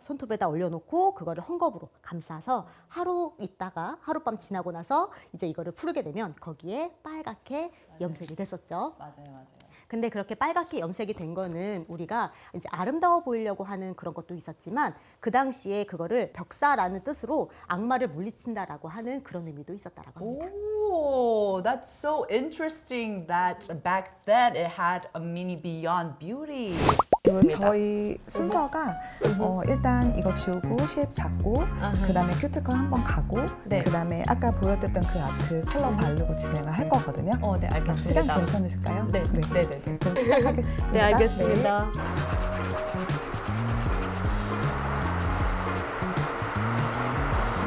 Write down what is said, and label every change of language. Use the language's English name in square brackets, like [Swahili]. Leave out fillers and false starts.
[Korean] 손톱에다 올려놓고 그거를 헝겊으로 감싸서 하루 있다가 하룻밤 지나고 나서 이제 이거를 푸르게 되면 거기에 빨갛게 맞아요. 염색이 됐었죠. 맞아요, 맞아요. 근데 그렇게 빨갛게 염색이 된 거는 우리가 이제 아름다워 보이려고 하는 그런 것도 있었지만 그 당시에 그거를 벽사라는 뜻으로 악마를 물리친다라고 하는 그런 의미도 있었다라고 합니다. [English] Oh, that's so interesting that back then it had a meaning beyond beauty. [Korean] 저희 순서가 일단 이거 지우고 쉐입 잡고 그 다음에 큐티클 한번 가고 네. 그 다음에 아까 보여드렸던 그 아트 컬러 바르고 진행을 할 거거든요. 네 알겠습니다. 시간 괜찮으실까요? 네. 네. 네. 네. 그럼 시작하겠습니다. 네 알겠습니다. 네.